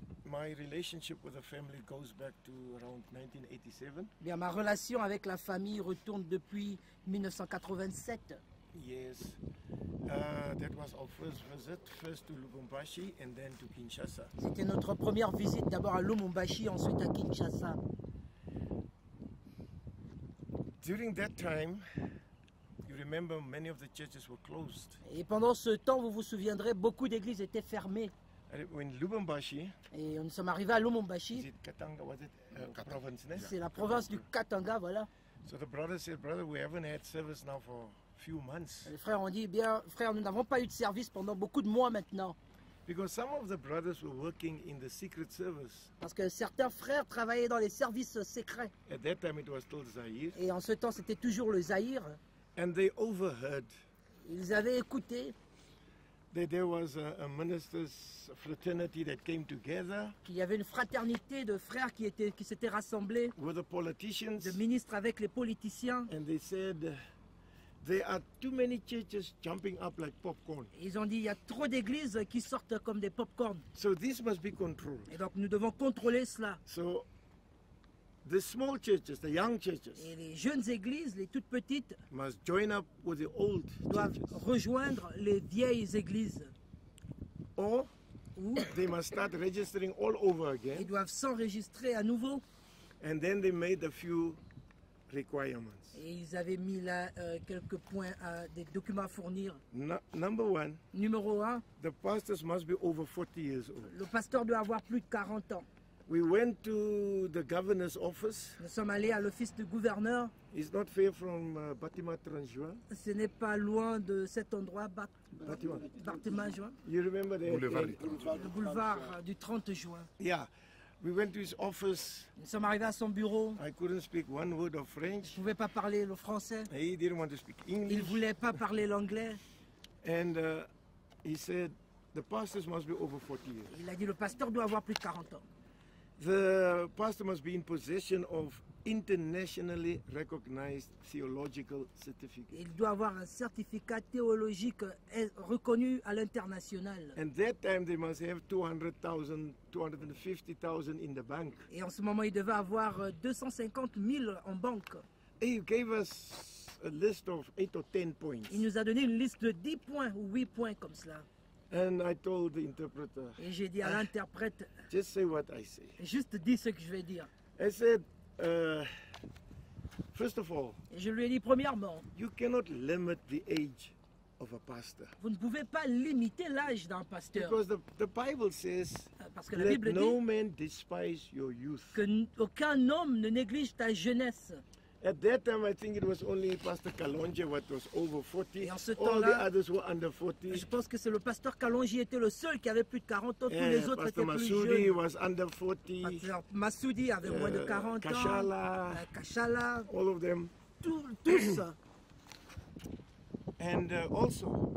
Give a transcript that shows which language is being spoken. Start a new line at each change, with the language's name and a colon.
English: My relationship with the family goes back to around 1987.
French: Bien, ma relation avec la famille retourne depuis 1987.
English: Yes. That was our first visit, first to Lubumbashi and then to Kinshasa.
French: C'était notre première visite d'abord à Lubumbashi ensuite à Kinshasa.
English: During that time, you remember many of the churches were closed.
French: Et pendant ce temps, vous vous souviendrez, beaucoup d'églises étaient fermées.
English: In Lubumbashi,
French: et nous sommes arrivés à Lubumbashi.
English: Is it Katanga, was it, province, yeah.
French: C'est la province du Katanga, voilà.
English: So the brother said, brother, we haven't had service now for few months.
French: Les frères ont dit, bien, frère, nous n'avons pas eu de service pendant beaucoup de mois maintenant.
English: Because some of the brothers were working in the secret service.
French: Parce que certains frères travaillaient dans les services secrets.
English: At that time, it was still Zaïre.
French: Et en ce temps, c'était toujours le Zaïre.
English: And they overheard.
French: Ils avaient écouté.
English: There was a minister's fraternity that came together.
French: Qu'il y avait une fraternité de frères qui s'étaient rassemblés.
English: With the politicians.
French: De ministres avec les politiciens.
English: And they said, there are too many churches jumping up like popcorn.
French: Ils ont dit, il y a trop d'églises qui sortent comme des popcorns.
English: So this must be controlled.
French: Et donc nous devons contrôler cela.
English: So the small churches, the young churches.
French: Et les jeunes églises, les toutes petites,
English: must join up with the old
French: doivent
English: churches.
French: Rejoindre les vieilles églises.
English: Or they must start registering all over again.
French: Ils doivent s'enregistrer à nouveau.
English: And then they made a few requirements.
French: Et ils avaient mis là quelques points à des documents à fournir.
English: Number one.
French: Numéro un.
English: The pastors must be over 40 years old.
French: Le pasteur doit avoir plus de 40 ans.
English: We went to the governor's office.
French: Nous sommes allés à l'office du gouverneur.
English: It's not far from Batiman Tranjoin.
French: Ce n'est pas loin de cet endroit, Batiman Juin.
English: You remember the
French: boulevard du 30 juin.
English: Yeah. We went to his office.
French: Nous sommes arrivés à son bureau.
English: I couldn't speak one word of French.
French: Je ne pouvais pas parler le français.
English: And he didn't want to speak English.
French: Il ne voulait pas parler l'anglais.
English: And he said the pastors must be over 40 years.
French: Il a dit le pasteur doit avoir plus de 40 ans.
English: The pastor must be in possession of internationally recognized theological certificate.
French: Il doit avoir un certificat théologique reconnu à l'international.
English: And that time they must have 200,000, 250,000 in the bank.
French: Et en ce moment, il devait avoir 250 000 en banque.
English: He gave us a list of 8 or 10 points.
French: Il nous a donné une liste de 10 points ou 8 points comme cela.
English: And I told the interpreter.
French: Et j'ai dit à l'interprète.
English: Just say what I say.
French: Juste dis ce que je vais dire.
English: I said, first of all.
French: Et je lui ai dit premièrement.
English: You cannot limit the age of a pastor.
French: Vous ne pouvez pas limiter l'âge d'un pasteur.
English: Because the Bible says.
French: Parce que la Bible dit.
English: No man despise your youth.
French: Que aucun homme ne néglige ta jeunesse.
English: At that time, I think it was only Pastor Kalonji what was over 40. All the others were under 40.
French: Je pense que c'est le pasteur Kalonji était le seul qui avait plus de 40 ans. Tous les autres
English: Pastor
French: étaient
English: Masoudi
French: plus jeunes.
English: Was under 40.
French: Masoudi avait moins de 40
English: Kachala,
French: ans. Kachala.
English: All of them.
French: Tous.
English: And also.